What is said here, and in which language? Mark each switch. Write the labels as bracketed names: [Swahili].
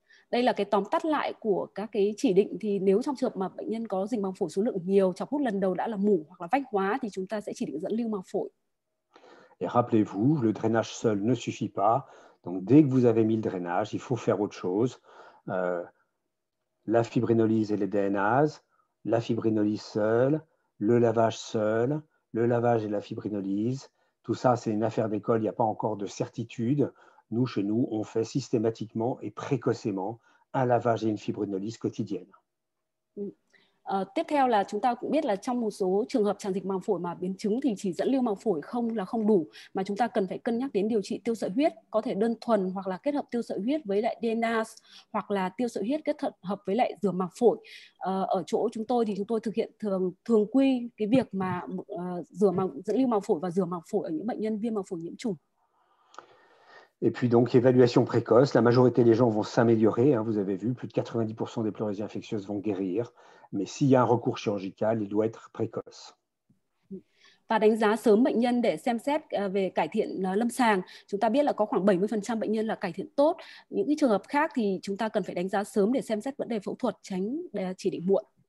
[Vietnamese] Đây là cái tóm tắt lại của các cái chỉ định. Thì nếu trong trường hợp mà bệnh nhân có dịch màng phổi số lượng nhiều, chọc hút lần đầu đã là mủ hoặc là vách hóa, thì chúng ta sẽ chỉ định dẫn lưu màng phổi. [French] Et rappelez-vous, le drainage seul ne suffit pas. Donc dès que vous avez mis le drainage, il faut faire autre chose. La fibrinolyse et les DNases, la fibrinolyse seule, le lavage seul, le lavage et la fibrinolyse. Tout ça, c'est une affaire d'école, il n'y a pas encore de certitude. Nous, chez nous, on fait systématiquement et précocement un lavage et une fibrinolyse quotidienne. [Vietnamese] Tiếp theo là chúng ta cũng biết là trong một số trường hợp tràn dịch màng phổi mà biến chứng thì chỉ dẫn lưu màng phổi không là không đủ, mà chúng ta cần phải cân nhắc đến điều trị tiêu sợi huyết, có thể đơn thuần hoặc là kết hợp tiêu sợi huyết với lại DNase, hoặc là tiêu sợi huyết kết hợp với lại rửa màng phổi. Ở chỗ chúng tôi thì chúng tôi thực hiện thường quy cái việc mà dẫn lưu màng phổi và rửa màng phổi ở những bệnh nhân viêm màng phổi nhiễm trùng. [French] Et puis donc, évaluation précoce, la majorité des gens vont s'améliorer, hein, vous avez vu, plus de 90% des pleurésies infectieuses vont guérir, mais s'il y a un recours chirurgical, il doit être précoce. [Vietnamese] Và đánh giá sớm bệnh nhân để xem xét về cải thiện lâm sàng. Chúng ta biết là có khoảng 70% bệnh nhân là cải thiện tốt. Những trường hợp khác thì chúng ta cần phải đánh giá sớm để xem xét vấn đề phẫu thuật, tránh chỉ định muộn.